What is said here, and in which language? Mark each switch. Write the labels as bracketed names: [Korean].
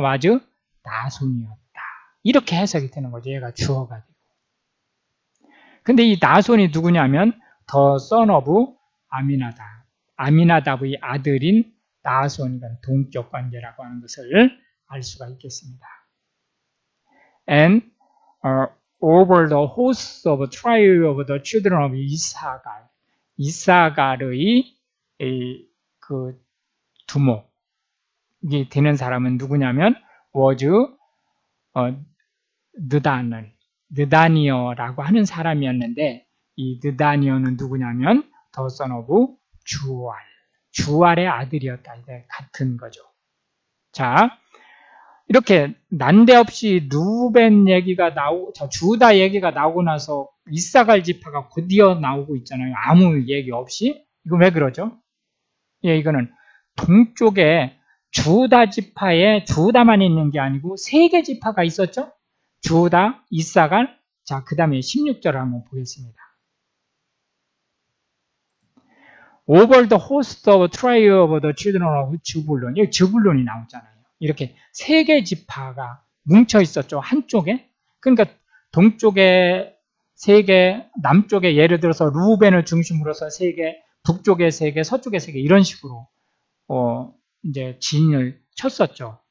[Korean] 와즈 나손이었다. 이렇게 해석이 되는 거죠. 얘가 주어가 되고. 근데 이 나손이 누구냐면 [English] 더 son of [Korean] 아미나다. 아미나답의 아들인 나손이란 동격 관계라고 하는 것을 알 수가 있겠습니다. [English] And over the host of tribe of the children of 이사갈. [Korean] 이사갈의 그 두목이 되는 사람은 누구냐면 was 느다니엘. 느다니엘이라고 하는 사람이었는데 이 느다니엘은 누구냐면 [English] the son of [Korean] 주알. 주알의 아들이었다. 이제 같은 거죠. 자, 이렇게 난데없이 루벤 얘기가 나오고, 자, 주다 얘기가 나오고 나서 이사갈 지파가 곧이어 나오고 있잖아요. 아무 얘기 없이. 이거 왜 그러죠? 예, 이거는 동쪽에 주다 지파에 주다만 있는 게 아니고 세개 지파가 있었죠? 주다, 이사갈. 자, 그 다음에 16절을 한번 보겠습니다. [English] Over the host of tribe of the children of Zebulun. [Korean] 여기 Zebulun이 나오잖아요. 이렇게 세개 지파가 뭉쳐 있었죠. 한쪽에. 그러니까 동쪽에 세 개, 남쪽에 예를 들어서 루벤을 중심으로 해서 세 개, 북쪽에 세 개, 서쪽에 세 개, 이런 식으로 이제 진을 쳤었죠.